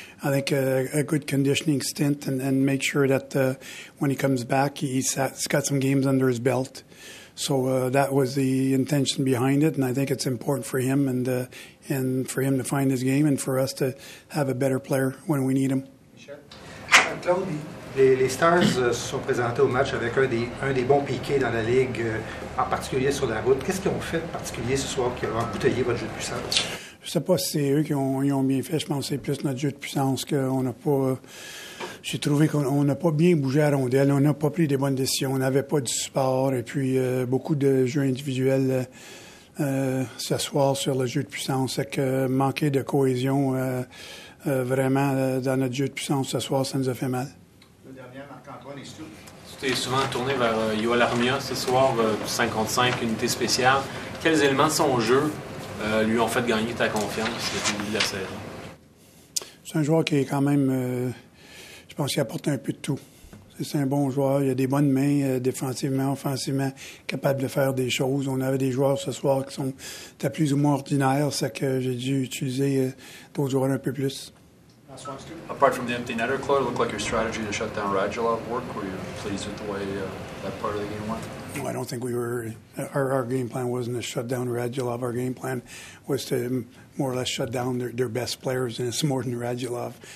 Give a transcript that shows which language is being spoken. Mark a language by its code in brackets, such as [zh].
[en] I think a good conditioning stint and make sure that when he comes back, he's got some games under his belt. So that was the intention behind it, and I think it's important for him and for him to find his game and for us to have a better player when we need him. [fr] Claude, les Stars sont présentés au match avec un des bons piqués dans la Ligue, en particulier sur la route. Qu'est-ce qu'ils ont fait de particulier ce soir qui a embouteillé votre jeu de puissance? Je ne sais pas si c'est eux qui ont bien fait. Je pense que c'est plus notre jeu de puissance qu'on n'a pas. J'ai trouvé qu'on n'a pas bien bougé à la rondelle. On n'a pas pris des bonnes décisions. On n'avait pas du support. Et puis, beaucoup de jeux individuels ce soir sur le jeu de puissance. C'est que manquer de cohésion vraiment dans notre jeu de puissance ce soir, ça nous a fait mal. Le dernier, Marc-Antoine Estou. Tu t'es souvent tourné vers Yoel Armia ce soir, 55, unité spéciale. Quels éléments de son jeu lui ont fait gagner ta confiance depuis le début de la saison? C'est un joueur qui est quand même. Je pense qu'il apporte un peu de tout. C'est un bon joueur. Il a des bonnes mains défensivement, offensivement, capable de faire des choses. On avait des joueurs ce soir qui sont plus ou moins ordinaires. C'est que j'ai dû utiliser d'autres joueurs un peu plus. [en] Apart from the empty netter, Claude, it looked like your strategy to shut down Radulov worked. Were you pleased with the way that part of the game went? I don't think we were. Our game plan wasn't to shut down Radulov. Our game plan was to more or less shut down their best players, and it's more than Radulov.